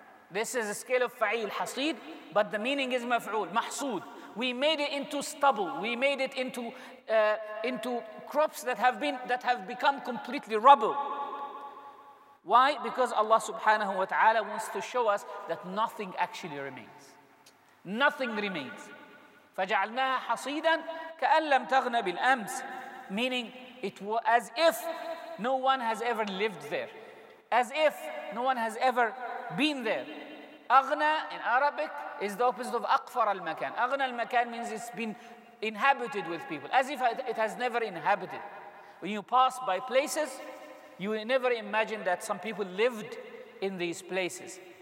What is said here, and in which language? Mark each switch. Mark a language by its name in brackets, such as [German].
[English] This is a scale of فعيل, حصيد, but the meaning is مفعول, محصود. We made it into stubble. We made it into crops that have become completely rubble. Why? Because Allah subhanahu wa ta'ala wants to show us that nothing actually remains. Nothing remains. [Arabic] فجعلناها حصيدا كأن لم تغنى بالأمس. [English] Meaning, it was as if no one has ever lived there. As if no one has ever been there. Aghna in Arabic is the opposite of aqfar al-makan. Aghna al-makan means it's been inhabited with people. As if it has never inhabited. When you pass by places, you never imagine that some people lived in these places.